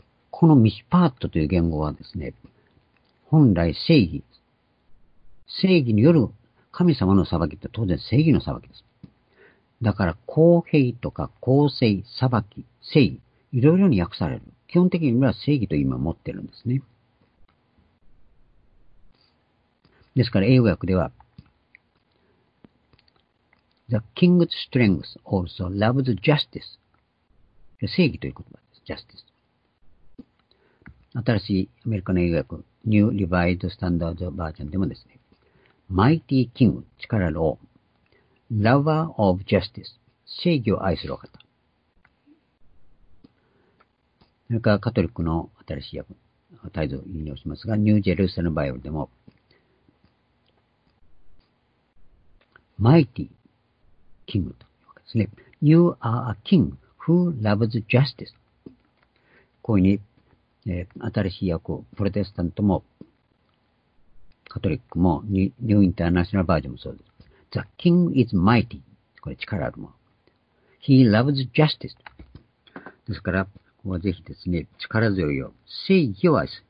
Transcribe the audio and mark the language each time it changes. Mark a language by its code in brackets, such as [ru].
[ja] このミシパートという言語はですね、本来正義、正義による神様の裁きって当然正義の裁きです。だから公平とか公正、裁き、正義、いろいろに訳される。基本的には正義と今持ってるんですね。ですから英語訳では、 [en] The king's strength also loves justice. [ja] 正義という言葉です。justice. 新しいアメリカの英語訳、New Revised Standard Version でもですね、Mighty King, 力の王、 [en] Lover of Justice, [ja] 正義を愛するお方。それからカトリックの新しい訳、タイトルを引用しますが、New Jerusalem Bible でも、Mighty King というわけですね。 [en] You are a king who loves justice. [ja] こういうふうに、新しい訳を、プロテスタントも、カトリックも、ニューインターナショナルバージョンもそうです。 [en] The king is mighty. [ja] これ力あるもん。 [en] He loves justice. [ja] ですから、ここはぜひですね、力強いよ。正義を愛す。